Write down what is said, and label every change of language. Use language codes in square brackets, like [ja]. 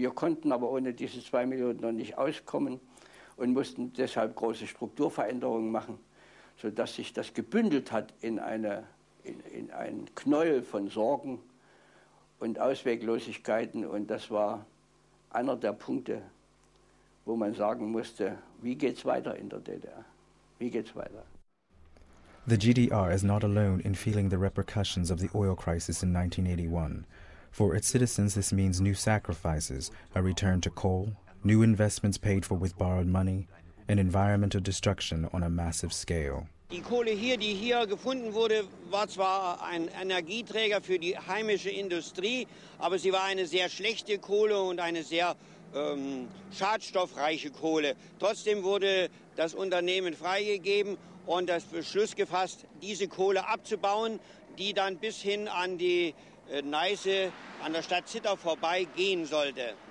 [de] Wir konnten aber ohne diese 2 Millionen Tonnen nicht auskommen und mussten deshalb große Strukturveränderungen machen, sodass sich das gebündelt hat in einen Knäuel von Sorgen und Ausweglosigkeiten. Und das war einer der Punkte, wo man sagen musste, wie geht's weiter in der DDR? Wie geht's weiter? [en] The GDR is not alone in feeling the repercussions of the oil crisis in 1981. For its citizens, this means new sacrifices, a return to coal, new investments paid for with borrowed money, and environmental destruction on a massive scale. [de] Die Kohle hier, die hier gefunden wurde, war zwar ein Energieträger für die heimische Industrie, aber sie war eine sehr schlechte Kohle und eine sehr schadstoffreiche Kohle. Trotzdem wurde das Unternehmen freigegeben und das Beschluss gefasst, diese Kohle abzubauen, die dann bis hin an die Neiße, an der Stadt Zittau vorbei gehen sollte.